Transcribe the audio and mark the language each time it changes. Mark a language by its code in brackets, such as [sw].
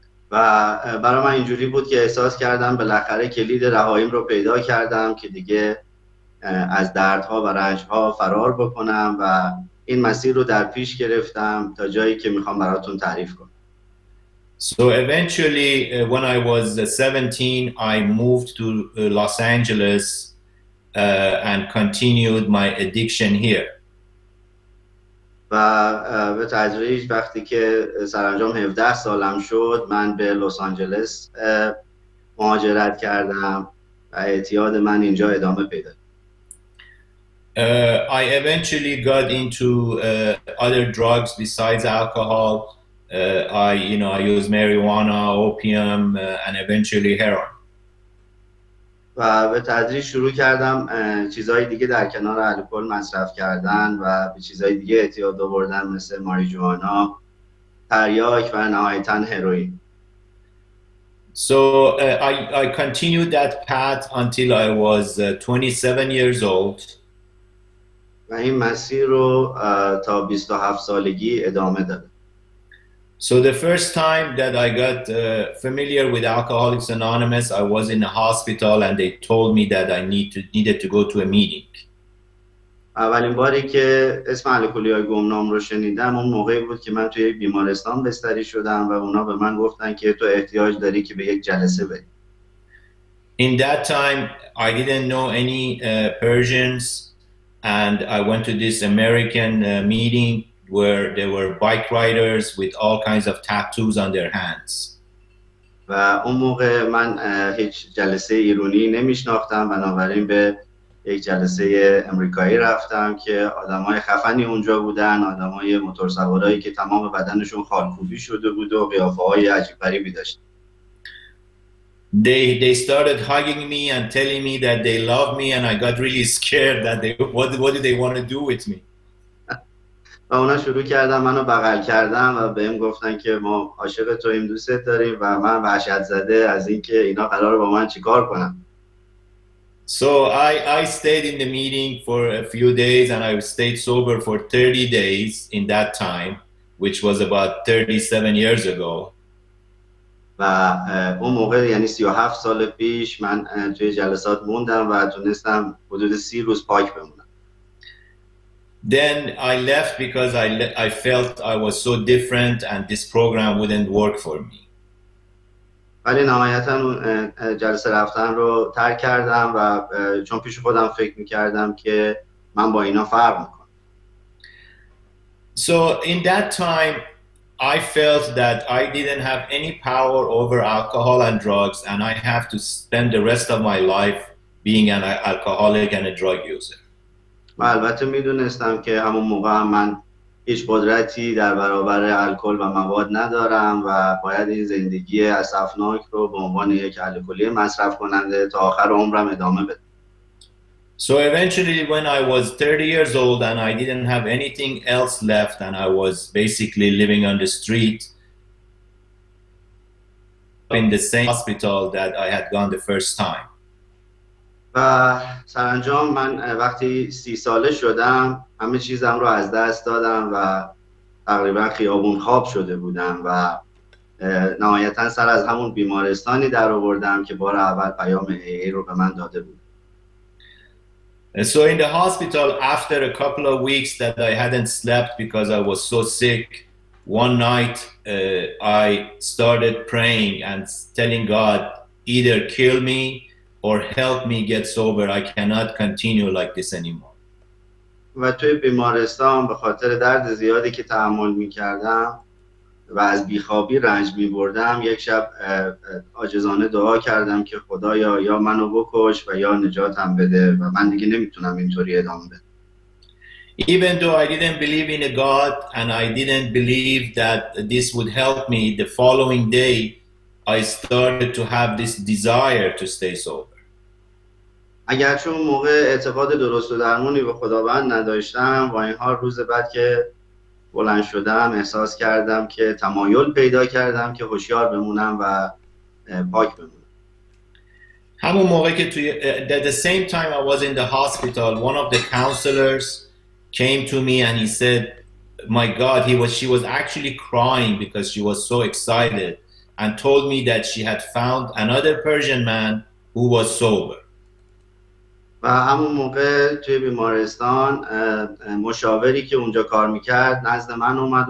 [fa] و برای من اینجوری بود که احساس کردم بالاخره کلید رهاییم رو پیدا کردم که دیگه از دردها و رنجها فرار بکنم و این مسیر رو در پیش گرفتم تا جایی که میخوام براتون تعریف کنم. [en] So eventually when I was 17 I moved to Los Angeles and continued my addiction here. [fa] و به تدریج وقتی که سرانجام 17 سالم شد من به لس آنجلس مهاجرت کردم و اعتیاد من اینجا ادامه پیدا کرد. [en] I eventually got into other drugs besides alcohol. I used marijuana, opium and eventually heroin. [fa] و به تدریج شروع کردم چیزهای دیگه در کنار الکل مصرف کردن و به چیزهای دیگه اعتیاد آوردن مثل ماریجوانا، تریاک و نهایتاً هروئین. [en] So I continued that path until I was 27 years old. [fa] و این مسیر رو تا 27 سالگی ادامه دادم. [en] So the first time that I got familiar with Alcoholics Anonymous, I was in a hospital and they told me that I needed to go to a meeting. [fa] اولین باری که اسم الکلی‌های گمنام رو شنیدم اون موقعی بود که من توی یک بیمارستان بستری شدم و اونا به من گفتن که تو احتیاج داری که به یک جلسه بری. [en] In that time, I didn't know any Persians and I went to this American meeting where there were bike riders with all kinds of tattoos on their hands. [fa] و اون موقع من هیچ جلسه ایرانی نمیشناختم بنابراین به یک جلسه امریکایی رفتم که آدمای خفنی اونجا بودن، آدمای موتورسوارایی که تمام بدنشون خالکوبی شده بود و قیافه‌های عجیب غریبی داشتن. [en] They started hugging me and telling me that they love me and I got really scared that what do they want to do with me. [fa] و اونا شروع کردن منو بغل کردن و بهم گفتن که ما عاشق تو ایم، دوستت داریم و من وحشت زده از اینکه اینا قرار با من چیکار کنن. [en] So I stayed in the meeting for a few days and I stayed sober for 30 days in that time which was about 37 years ago. [fa] و اون موقع یعنی 37 سال پیش من توی جلسات موندم و تونستم حدود 30 روز پاک بمونم. [en] Then I left because I felt I was so different and this program wouldn't work for me. [fa] ولی نهایتا جلسه رفتن رو ترک کردم و چون پیش خودم فکر میکردم که من با اینا فرق میکنم. [en] So in that time I felt that I didn't have any power over alcohol and drugs and I have to spend the rest of my life being an alcoholic and a drug user. [fa] و البته میدونستم که همون موقع من هیچ قدرتی در برابر الکل و مواد ندارم و باید این زندگی اسفناک رو به عنوان یک الکلی مصرف کننده تا آخر عمرم ادامه بدم. [en] So eventually when I was 30 years old and I didn't have anything else left and I was basically living on the street in the same hospital that I had gone the first time. [fa] و سرانجام من وقتی 30 ساله شدم همه چیزم رو از دست دادم و تقریبا خیابون خواب شده بودم و نهایتا سر از همون بیمارستانی در آوردم که بار اول پیام ای رو به من داده بود. [en] So in the hospital after a couple of weeks that I hadn't slept because I was so sick, one night I started praying and telling God either kill me or help me get sober. I cannot continue like this anymore. [fa] و توی بیمارستان به خاطر درد زیادی که تحمل می‌کردم و از بی‌خوابی رنج می‌بردم یک شب عاجزانه دعا کردم که خدایا یا منو بکش و یا نجاتم بده و من دیگه نمیتونم اینطوری ادامه بدم. [en] Even though I didn't believe in a God and I didn't believe that this would help me, the following day I started to have this desire to stay sober. [fa] اگرچه اون موقع اعتقاد درست و درمونی به خداوند نداشتم، با این حال روز بعد که بلند شدم احساس کردم که تمایل پیدا کردم که هوشیار بمونم و پاک بمونم. همون موقع که توی [en] at the same time I was in the hospital, one of the counselors came to me and he said, "My God," she was actually crying because she was so excited. And told me that she had found another Persian man who was sober. [fa] و همون موقع توی بیمارستان مشاوری که اونجا کار میکرد نزد من اومد.